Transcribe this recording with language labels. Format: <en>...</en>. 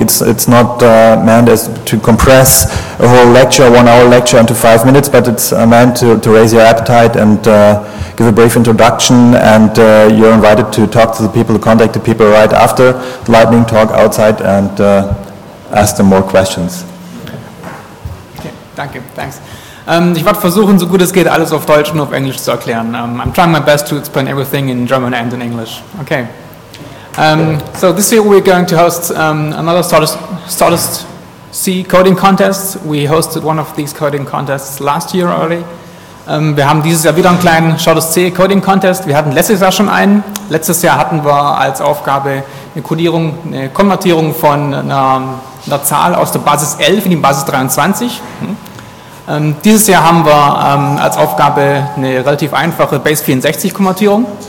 <en>It's not meant as to compress a whole lecture, 1 hour lecture, into 5 minutes, but it's meant to raise your appetite and give a brief introduction, and you're invited to talk to the people, contact the people right after the lightning talk outside, and ask them more questions.</en> <de>Okay, danke, thanks. Ich werde versuchen, so gut es geht, alles auf Deutsch und auf Englisch zu erklären.</de> <en>I'm trying my best to explain everything in German and in English. Okay. So this year we're going to host another Shortest C coding contest. We hosted one of these coding contests last year already.</en> <de>Wir haben dieses Jahr wieder einen kleinen Shortest C Coding Contest. Wir hatten letztes Jahr schon einen. Letztes Jahr hatten wir als Aufgabe eine Codierung, eine Konvertierung von einer Zahl aus der Basis 11 in die Basis 23. Dieses Jahr haben wir als Aufgabe eine relativ einfache Base64-Konvertierung.</de>